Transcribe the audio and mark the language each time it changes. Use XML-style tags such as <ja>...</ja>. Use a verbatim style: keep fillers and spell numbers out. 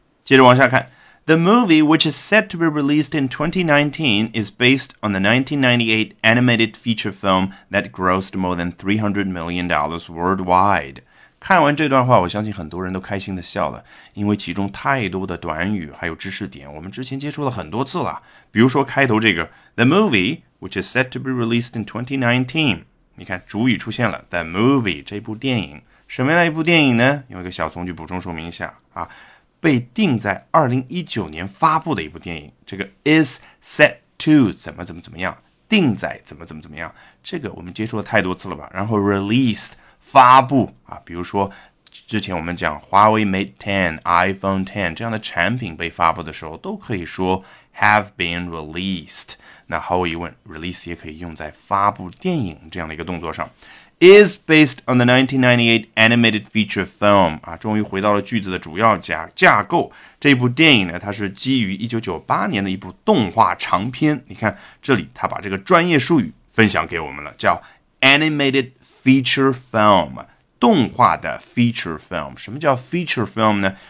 <zh>接着往下看，</zh> <en>The movie, which is set to be released in twenty nineteen, is based on the nineteen ninety-eight animated feature film that grossed more than three hundred million dollars worldwide。</en> <zh>看完这段话，我相信很多人都开心的笑了，因为其中太多的短语还有知识点我们之前接触了很多次了。比如说开头这个</zh> <en>The movie, which is set to be released in twenty nineteen，</en> <zh>你看主语出现了 The movie， 这部电影什么样的一部电影呢？用一个小从句补充说明一下啊，被定在二零一九年发布的一部电影。这个 is set to 怎么怎么怎么样，定在怎么怎么怎么样，这个我们接触了太多次了吧。然后 released发布啊，比如说之前我们讲华为 Mate 十、iPhone 十这样的产品被发布的时候，都可以说</zh> <en>have been released。</en> <zh>那毫无疑问 ，release 也可以用在发布电影这样的一个动作上。</zh> <en>Is based on the nineteen ninety-eight animated feature film。</en> <zh>啊，终于回到了句子的主要架架构。这部电影呢，它是基于一九九八年的一部动画长片。你看这里，它把这个专业术语分享给我们了，叫 animated。 Feature film， 动画的 feature film。什么叫 feature film 呢？</zh>